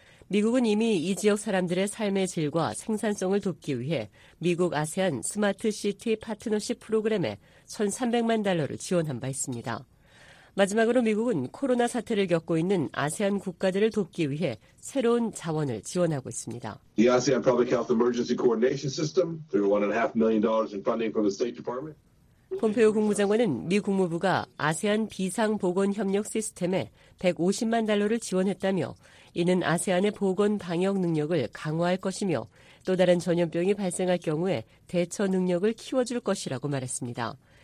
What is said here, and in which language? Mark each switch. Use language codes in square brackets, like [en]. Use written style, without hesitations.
[ko] 미국은 이미 이 지역 사람들의 삶의 질과 생산성을 돕기 위해 미국 아세안 스마트 시티 파트너십 프로그램에 1,300만 달러를 지원한 바 있습니다. 마지막으로 미국은 코로나 사태를 겪고 있는 아세안 국가들을 돕기 위해 새로운 자원을 지원하고 있습니다. [en] The ASEAN Public Health Emergency Coordination System through $1.5 million in funding from the State Department. [ko] 폼페오 국무장관은 미 국무부가 아세안 비상보건협력 시스템에 150만 달러를 지원했다며 이는 아세안의 보건 방역 능력을 강화할 것이며 또 다른 전염병이 발생할 경우에 대처 능력을 키워줄 것이라고 말했습니다.